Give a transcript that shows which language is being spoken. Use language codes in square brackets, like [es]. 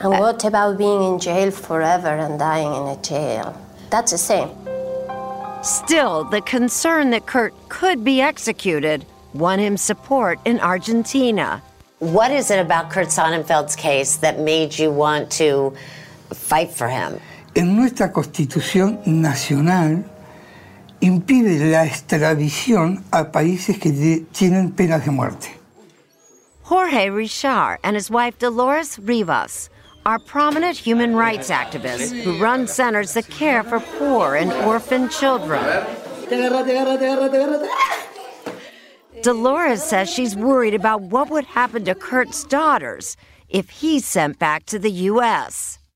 [en] And what about being in jail forever and dying in a jail? That's the same. Still, the concern that Kurt could be executed won him support in Argentina. What is it about Kurt Sonnenfeld's case that made you want to fight for him? [es] En nuestra Constitución Nacional impide la extradición a países que tienen penas de muerte. [en] Jorge Richard and his wife Dolores Rivas are prominent human rights activists who run centers that care for poor and orphaned children. Dolores says she's worried about what would happen to Kurt's daughters if he's sent back to the U.S.